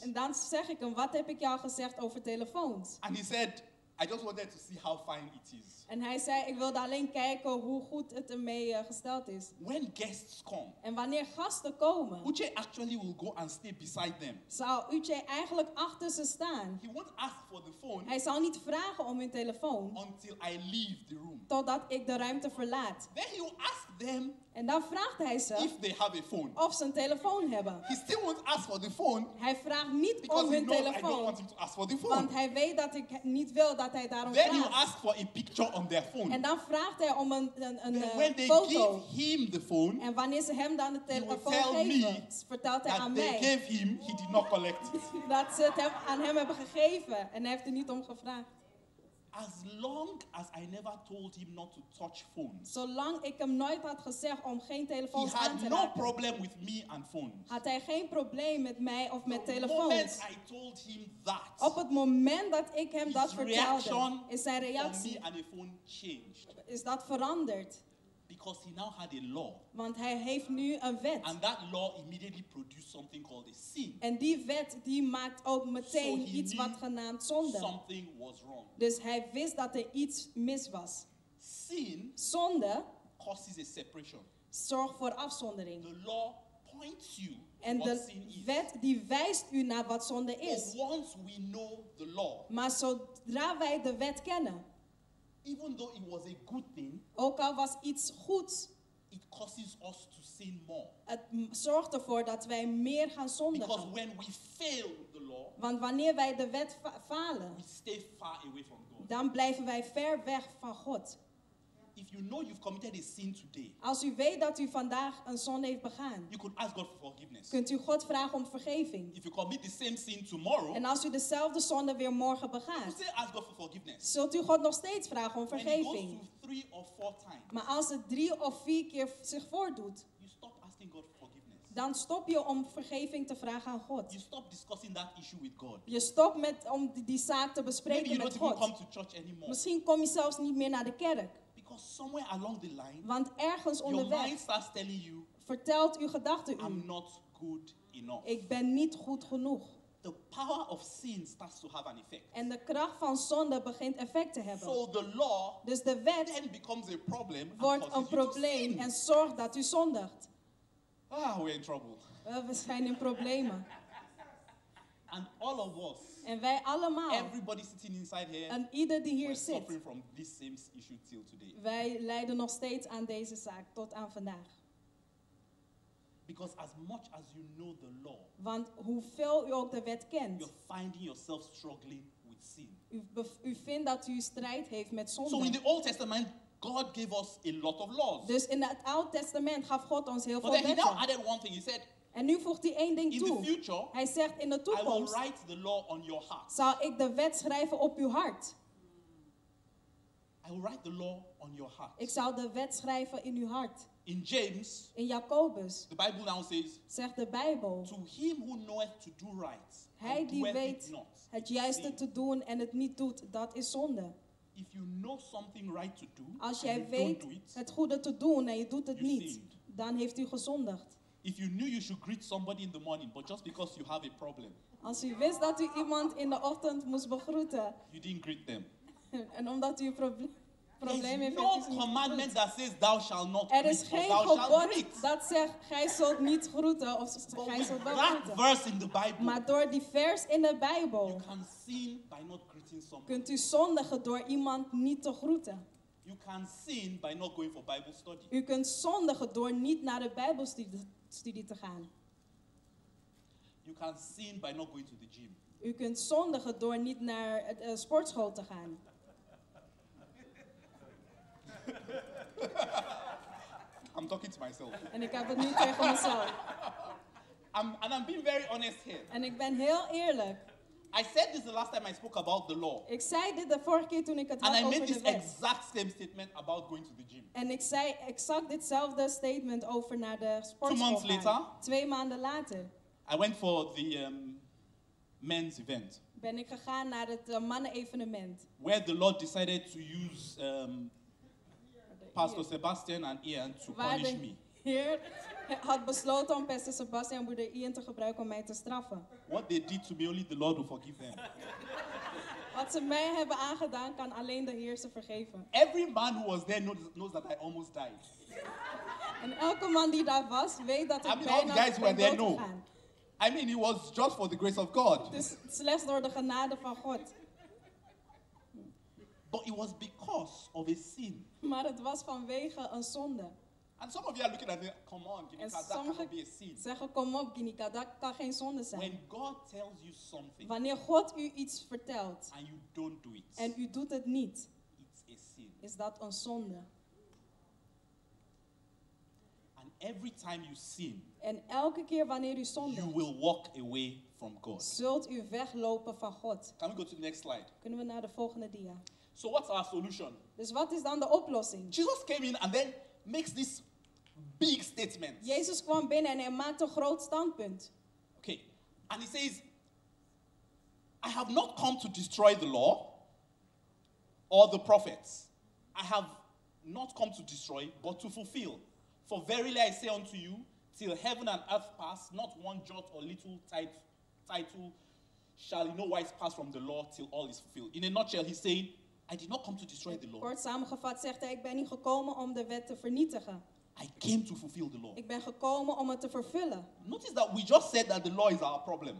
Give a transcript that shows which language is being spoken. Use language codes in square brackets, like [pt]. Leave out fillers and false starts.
[nl] En dan zeg ik hem, wat heb ik jou gezegd over telefoons? [en] And he said, I just wanted to see how fine it is. [nl] En hij zei, ik wilde alleen kijken hoe goed het ermee gesteld is. [en] When guests come. [nl] En wanneer gasten komen. [en] Uche actually will go and stay beside them. [nl] Zou Uche eigenlijk achter ze staan. [en] He won't ask for the phone. [nl] Hij zal niet vragen om hun telefoon. [en] Until I leave the room. [nl] Totdat ik de ruimte verlaat. [en] Then he will ask them. [nl] En dan vraagt hij ze. [en] If they have a phone. [nl] Of ze een telefoon hebben. [en] He still won't ask for the phone. [nl] Hij vraagt niet om hun telefoon. [en] I don't want him to ask for the phone. [nl] Want hij weet dat ik niet wil dat hij daarom [en] Then [nl] vraagt. [en] Then he will ask for a picture on their phone. [nl] En dan vraagt hij om [en] when they [nl] foto. [en] Give him the phone, [nl] en wanneer ze hem dan de telefoon vertelt hij [en] that [nl] aan [en] they [nl] mij. [en] Gave him, he did not collect it. [nl] Dat ze het hem, aan hem hebben gegeven en hij heeft er niet om gevraagd. [en] As long as I never told him not to touch phones. [nl] Zolang ik hem nooit had gezegd om geen telefoons aan te raken. [en] He had no problem with me and phones. [nl] Had hij geen probleem met mij of [en] the [nl] met telefoons. [en] Moment I told him that. [nl] Op het moment dat ik hem dat vertelde. Is zijn reactie. [en] On me and the phone changed. [nl] Is dat veranderd. [en] Because he now had a law. [nl] Want hij heeft nu een wet. [en] And that law immediately produced something called a sin. [nl] En die wet die maakt ook meteen [en] so [nl] iets wat genaamd zonde. [en] Something was wrong. [nl] Dus hij wist dat er iets mis was. [en] Sin [nl] zonde [en] causes a separation. [nl] Zorgt voor afzondering. [en] The law points you [nl] En de wet die wijst u naar wat zonde is. [en] But once we know the law, [nl] maar zodra wij de wet kennen, [en] even though it was a good thing, [nl] ook al was iets goeds, [en] it causes us to sin more. [nl] Het zorgt ervoor dat wij meer gaan zondigen. [en] Because when we fail the law, [nl] want wanneer wij de wet falen, [en] we stay far away from God. [nl] Dan blijven wij ver weg van God. [en] If you know you've committed a sin today, [nl] als u weet dat u vandaag een zonde heeft begaan, [en] you could ask God for forgiveness. [nl] Kunt u God vragen om vergeving. [en] If you commit the same sin tomorrow, [nl] en als u dezelfde zonde weer morgen begaat, [en] you still ask God for forgiveness. [nl] Zult u God nog steeds vragen om vergeving. [en] When it goes through three or four times, [nl] maar als het drie of vier keer zich voordoet, [en] you stop asking God for forgiveness. [nl] Dan stop je om vergeving te vragen aan God. [en] You stop discussing that issue with God. [nl] Je stopt met om die zaak te bespreken [en] Maybe you [nl] met [en] don't [nl] God. [en] Even come to church anymore. [nl] Misschien kom je zelfs niet meer naar de kerk. [en] Because somewhere along the line, [nl] want ergens onderweg [en] your mind starts telling you, [nl] vertelt uw gedachte u, [en] I'm not good enough. [nl] Ik ben niet goed genoeg. [en] The power of sin starts to have an effect. [nl] En de kracht van zonde begint effect te hebben. [en] So the law, [nl] dus de wet, [en] then becomes a problem [nl] wordt een probleem en zorgt dat u zondigt. [en] Ah, we're in trouble. [nl] We zijn in problemen. [en] And all of us, [nl] en wij allemaal, [en] everybody sitting inside here, [nl] en ieder die hier zit, [en] suffering from this same issue till today. [nl] Wij lijden nog steeds aan deze zaak tot aan vandaag. [en] Because as much as you know the law, [nl] want hoeveel u ook de wet kent, [en] you're finding yourself struggling with sin. [nl] U vindt dat u strijd heeft met zonde. [en] So in the Old Testament, God gave us a lot of laws. [nl] Dus in het Oude Testament gaf God ons heel [en] But [nl] veel wetten. [en] But then he now added one thing. He said, [nl] en nu voegt hij één ding toe. [en] In the future, [nl] hij zegt in de toekomst, [en] I will write the law on your heart. [nl] Zal ik de wet schrijven op uw hart. [en] I will write the law on your heart. [nl] Ik zal de wet schrijven in uw hart. [en] In James, [nl] in Jacobus, [en] the Bible now says, [nl] zegt de Bijbel, [en] to him who knoweth to do right, [nl] hij die weet het juiste te doen en het niet doet, dat is zonde. [en] If you know something right to do, [nl] als jij weet het goede te doen en je doet het niet, dan heeft u gezondigd. [en] If you knew you should greet somebody in the morning, but just because you have a problem. [nl] Als u wist dat u iemand in de ochtend moest begroeten. [en] You didn't greet them. [nl] En omdat u probleem heeft. [en] There is no commandment that says thou shalt not greet. [nl] Er is geen gebod dat zegt gij zult niet groeten of gij zult wel groeten. [en] That verse in the Bible. [nl] Maar door die vers in de Bijbel. [en] You can sin by not greeting somebody. [nl] Kunt u zondigen door iemand niet te groeten. [en] You can sin by not going for Bible study. [nl] U kunt zondigen door niet naar de Bijbelstudie te gaan. [en] You can sin by not going to the gym. [nl] U kunt zondigen door niet naar het sportschool te gaan. [en] I'm talking to myself. [nl] En ik heb het nu tegen mezelf. [en] And I'm being very honest here. [nl] En ik ben heel eerlijk. [en] I said this the last time I spoke about the law. [nl] Ik zei dit de vorige keer toen ik het had over de wet. [en] And I made this exact same statement about going to the gym. [nl] En ik zei exact ditzelfde statement over naar de sportschool. [en] 2 months later. [nl] 2 maanden later. [en] I went for the men's event. [nl] Ben ik gegaan naar het mannenevenement. [en] Where the Lord decided to use Pastor Sebastian and Ian to punish me. [nl] Heer had besloten om Pastor Sebastian en Broeder Ian te gebruiken om mij te straffen. [en] What they did to me, only the Lord will forgive them. [nl] Wat ze mij hebben aangedaan, kan alleen de Heer ze vergeven. [en] Every man who was there knows that I almost died. [nl] En elke man die daar was, weet dat ik bijna [en] all the guys were there know. I mean, it was just for the grace of God. [nl] Dus slechts door de genade van God. [en] But it was because of a sin. [nl] Maar het was vanwege een zonde. [en] And some of you are looking at me, come on, Ginika, that cannot be a sin. [nl] Zeggen, kom op, Ginika, dat kan geen zonde zijn. [en] When God tells you something, [nl] wanneer God u iets vertelt, [en] and you don't do it, [nl] en u doet het niet, [en] it's a sin. [nl] Is dat een zonde. [en] And every time you sin, [nl] en elke keer wanneer u zondigt, [en] you will walk away from God. [nl] Zult u weglopen van God. [en] Can we go to the next slide? [nl] Kunnen we naar de volgende dia? [en] So what's our solution? [nl] Dus wat is dan de oplossing? [en] Jesus came in and then makes this big statement. [nl] Jezus kwam binnen en hij maakte een groot standpunt. [en] Okay. And he says, I have not come to destroy the law or the prophets. I have not come to destroy, but to fulfill. For verily I say unto you, till heaven and earth pass, not one jot or little title shall in no wise pass from the law till all is fulfilled. In a nutshell, he's saying, I did not come to destroy the law. [nl] Kort samengevat zegt hij, ik ben niet gekomen om de wet te vernietigen. [en] I came to fulfill the law. [nl] Ik ben gekomen om het te vervullen. [en] Notice that we just said that the law is our problem.